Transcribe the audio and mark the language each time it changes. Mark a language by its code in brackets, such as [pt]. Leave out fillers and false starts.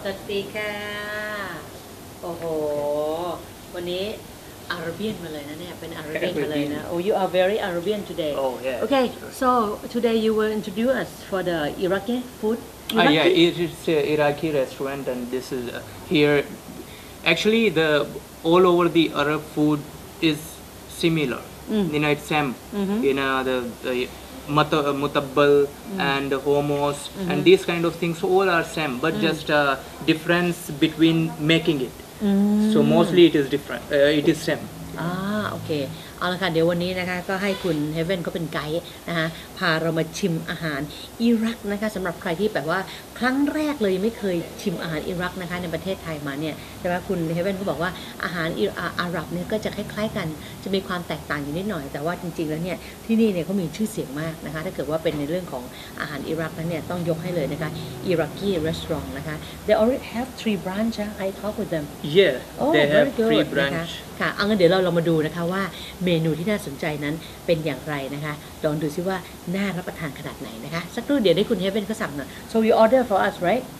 [th] สวัสดีค่ะโอ้โห วันนี้อาระเบียนมาเลยนะเนี่ยเป็นอาระเบียนมาเลยนะ [en] Oh you are very Arabian today Oh yeah Okay so today you will introduce us for the Iraqi food Iraqi? Yeah it's an Iraqi restaurant and this is here actually the all over the Arab food is similar mm. you know it's same mm-hmm. you know the mutabbal mm. and hummus mm-hmm. and these kind of things all are same but mm. just a difference between making it mm. so mostly it is different it is same [th] okay เอาละค่ะเดี๋ยววันนี้นะคะก็ให้คุณเฮเว่นก็เป็นไกด์นะคะพาเรามาชิมอาหารอิรักนะคะสำหรับใครที่แบบว่าครั้งแรกเลยไม่เคยชิมอาหารอิรักนะคะในประเทศไทยมาเนี่ยใช่ไหมคุณเฮเว่นก็บอกว่าอาหารอาหรับเนี่ยก็จะคล้ายๆกันจะมีความแตกต่างอยู่นิดหน่อยแต่ว่าจริงๆแล้วเนี่ยที่นี่เนี่ยเขามีชื่อเสียงมากนะคะถ้าเกิดว่าเป็นในเรื่องของอาหารอิรักนั้นเนี่ยต้องยกให้เลยนะคะอิรักกี้รีสอร์ทนะคะ [en] they already have three branch huh? I talk with them yeah oh, they have good, three branch [th] ค่ะเอางั้นเดี๋ยวเรามาดูนะคะว่าเมนูที่น่าสนใจนั้นเป็นอย่างไรนะคะลองดูซิว่าน่ารับประทานขนาดไหนนะคะสักครู่เดี๋ยวให้คุณเฮเว่นเขาสั่งหน่อย [en] so you order for us right